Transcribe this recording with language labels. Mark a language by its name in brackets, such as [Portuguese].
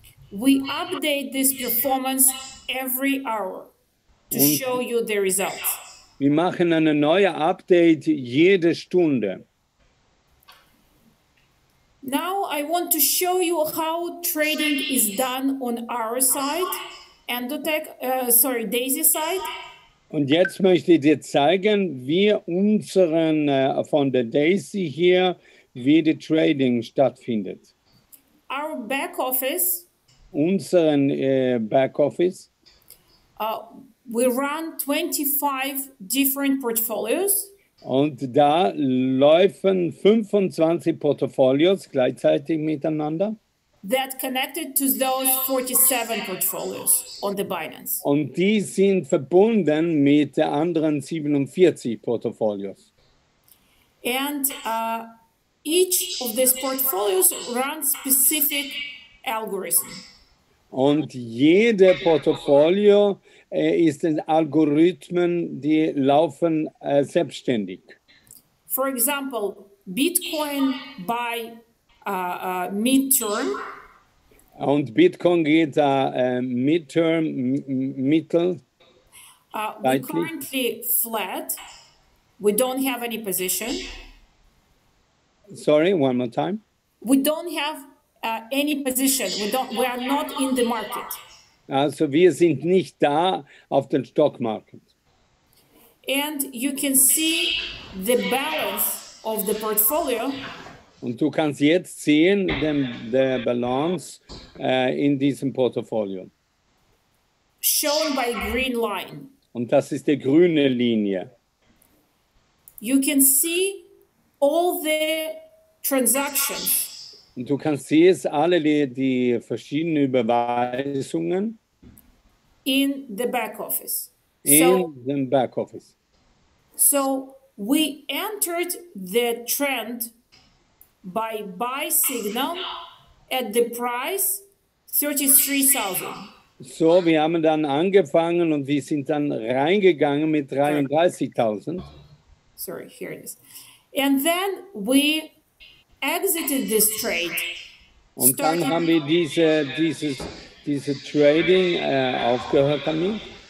[English] We update this performance every hour to show you the results. [German] Wir machen eine neue Update jede Stunde. [English] Now I want to show you how trading is done on our side, Endotech, Daisy side. [German] Und jetzt möchte ich dir zeigen, wie unseren von der Daisy hier, wie die Trading stattfindet. [English] Our back office. [German] Unseren back office. [English] We run 25 different portfolios. [German] Und da laufen 25 Portfolios gleichzeitig miteinander. [English] That connected to those 47 portfolios on the Binance. [German] Und die sind verbunden mit den anderen 47 Portfolios. [English] And each of these portfolios runs specific algorithm. [German] Und jede Portfolio ist ein Algorithmen, die laufen selbstständig. [English] For example, Bitcoin by midterm. [German] Und Bitcoin geht midterm, mittel. [English] We're currently flat. We don't have any position. Sorry, one more time. We don't have any position. We are not in the market. [German] Also wir sind nicht da auf dem Stock Market. [English] And you can see the balance of the portfolio. [German] Und du kannst jetzt sehen den der Balance in diesem Portfolio. [English] Shown by green line. [German] Und das ist die grüne Linie. [English] You can see all the transactions. [German] Und du kannst sehen alle die verschiedenen Überweisungen. [English] In the back office. [German] In dem back office. [English] So we entered the trend by buy signal at the price 33,000. [German] So, wir haben dann angefangen und wir sind dann reingegangen mit 33,000. [English] Sorry, here it is. And then we exited this trade. [German] Und dann haben wir diese Trading aufgehört damit.